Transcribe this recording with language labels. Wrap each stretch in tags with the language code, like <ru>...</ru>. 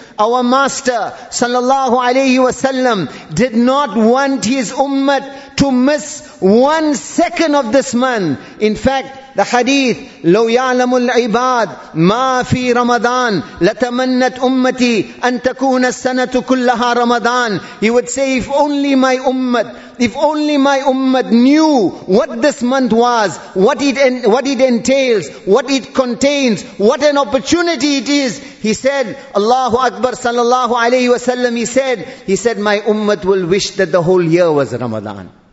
<en>Our Master sallallahu alayhi wasallam did not want his ummah to miss one second of this month. In fact, the hadith,</en> <ar>لو يعلم العباد ما في رمضان لتمنت أمتي أن تكون السنة كلها رمضان.</ar> <en>He would say, if only my ummah knew what this month was, what it entails, what it contains, what an opportunity it is. He said, Allahu Akbar sallallahu alayhi wa sallam, he said, my ummah will wish that the whole year was Ramadan.</en>